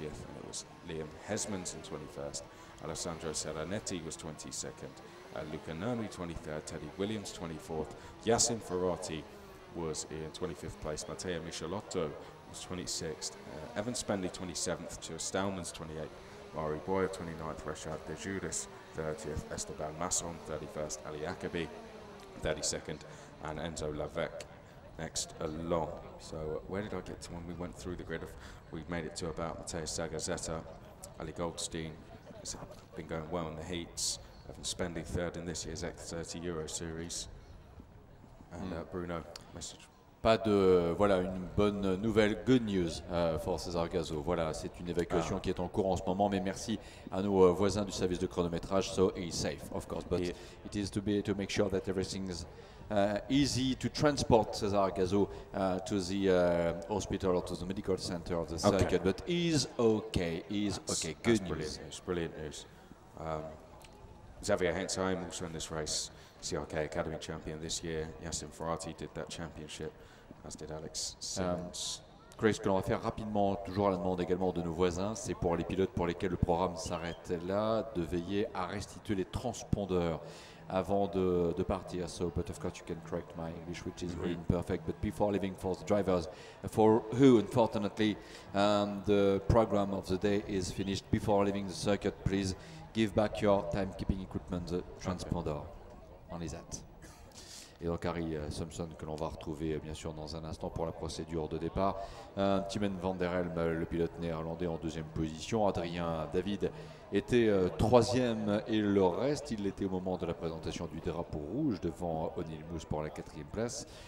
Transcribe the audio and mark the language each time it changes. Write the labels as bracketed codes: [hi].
[en] And it was Liam Hesmans in 21st. Alessandro Serenetti was 22nd, Luca Nermi 23rd, Teddy Williams 24th, Yassin Ferrati was in 25th place, Matteo Michelotto was 26th, Evan Spendley 27th, Joe Stallman's 28th, Mari Boyer 29th, Rashad De Judas 30th, Esteban Masson 31st, Ali Akabi 32nd, and Enzo Lavec next along. So where did I get to when we went through the grid? We made it to about Matteo Zagazeta, Ali Goldstein, been going well in the heats. Evan Spendley third in this year's X30 Euro Series. And Bruno, message. [fr] Pas de une bonne nouvelle, [en] good news for César Gasol. [fr] C'est une évacuation qui est en cours en ce moment. Mais merci à nos voisins du service de chronométrage. [en] So he's safe, of course. But yeah, it is to make sure that everything's easy to transport César Gasol to the hospital or to the medical center of the circuit. Okay. But he's okay. Good news. Brilliant news. Xavier Hensheim also in this race. CRK Academy champion this year. Yassin Ferrati did that championship, as did Alex Simmons. [fr] Chris, ce que l'on va faire rapidement, toujours à la demande également de nos voisins, c'est pour les pilotes pour lesquels le programme s'arrête là, de veiller à restituer les transpondeurs avant de partir. [en] So, but of course you can correct my English, which is really imperfect. But before leaving for the drivers, for who unfortunately the program of the day is finished, before leaving the circuit, please give back your timekeeping equipment, the transponder. Okay. [fr] Et donc Harry Simpson, que l'on va retrouver bien sûr dans un instant pour la procédure de départ. Tiemann Van Der Helm, le pilote néerlandais, en deuxième position. Adrien David était troisième et le reste, il l'était au moment de la présentation du drapeau rouge devant O'Neill Moose pour la quatrième place.